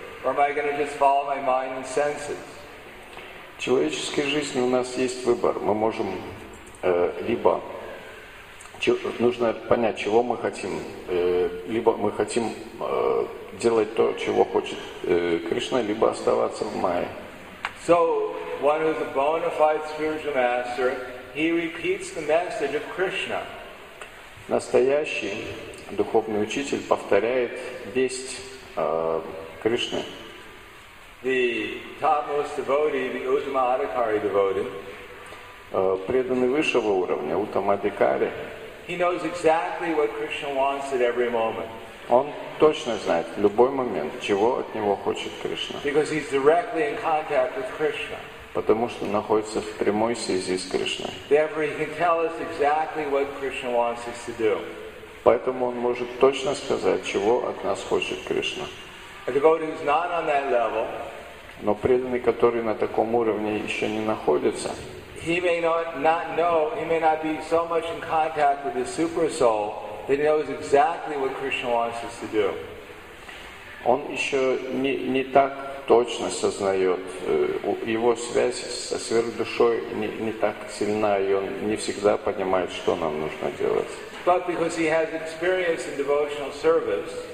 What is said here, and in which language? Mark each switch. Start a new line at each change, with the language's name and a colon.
English: Or am I going to just follow my mind and senses?
Russian: В человеческой жизни у нас есть выбор. Мы можем либо нужно понять, чего мы хотим, либо мы хотим делать то, чего хочет Кришна, либо оставаться в Майе.
English: So one who is a bona fide spiritual master, he repeats the message of Krishna.
Russian: Настоящий духовный учитель повторяет весть Кришны.
English: The topmost devotee, the Uttama Adhikari devotee,
Russian: преданный высшего уровня, Uttama Adhikari,
English: he knows exactly what Krishna wants at every moment.
Russian: Он точно знает в любой момент, чего от него хочет Кришна.
English: Because he's directly in contact with Krishna.
Russian: Потому что находится в прямой связи с Кришной.
English: Therefore, he can tell us exactly what Krishna wants us to do.
Russian: Поэтому он может точно сказать, чего от нас хочет Кришна.
English: A devotee who's not on that level,
Russian: но преданный, который на таком уровне еще не находится,
English: he may not know, he may not be so much in contact with his super soul that he knows exactly what Krishna wants us to do.
Russian: Он еще не так точно сознает, его связь со сверхдушой не так сильна, и он не всегда понимает, что нам нужно делать.
English: But because he has experience in devotional service,